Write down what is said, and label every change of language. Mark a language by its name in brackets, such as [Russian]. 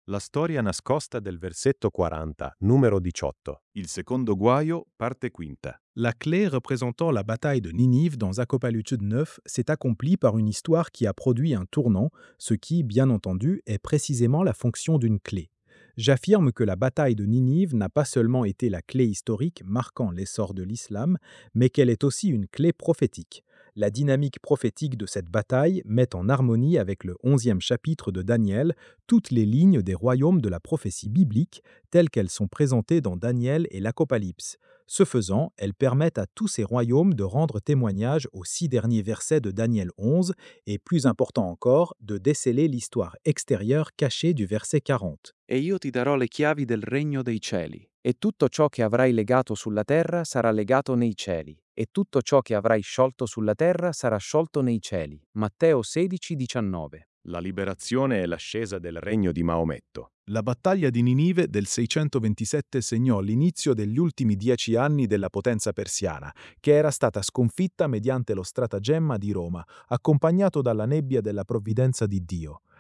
[Italian] La storia nascosta del versetto 40, numero 18. Il secondo guaio, parte quinta. [French] La clé représentant la bataille de Ninive dans Apocalypse 9 s'est accomplie par une histoire qui a produit un tournant, ce qui, bien entendu, est précisément la fonction d'une clé. J'affirme que la bataille de Ninive n'a pas seulement été la clé historique marquant l'essor de l'islam, mais qu'elle est aussi une clé prophétique. La dynamique prophétique de cette bataille met en harmonie avec le 11e chapitre de Daniel toutes les lignes des royaumes de la prophétie biblique telles qu'elles sont présentées dans Daniel et l'Apocalypse. Ce faisant, elles permettent à tous ces royaumes de rendre témoignage aux 6 derniers versets de Daniel 11 et, plus important encore, de déceler l'histoire extérieure cachée du verset 40. [Italian] « E io ti darò le chiavi del regno dei cieli, e tutto ciò che avrai legato sulla terra sarà legato nei cieli. » E tutto ciò che avrai sciolto sulla terra sarà sciolto nei cieli. Matteo 16:19. La liberazione e l'ascesa del regno di Maometto. La battaglia di Ninive del 627 segnò l'inizio degli ultimi 10 anni della potenza persiana, che era stata sconfitta mediante lo stratagemma di Roma, accompagnato dalla nebbia della provvidenza di Dio.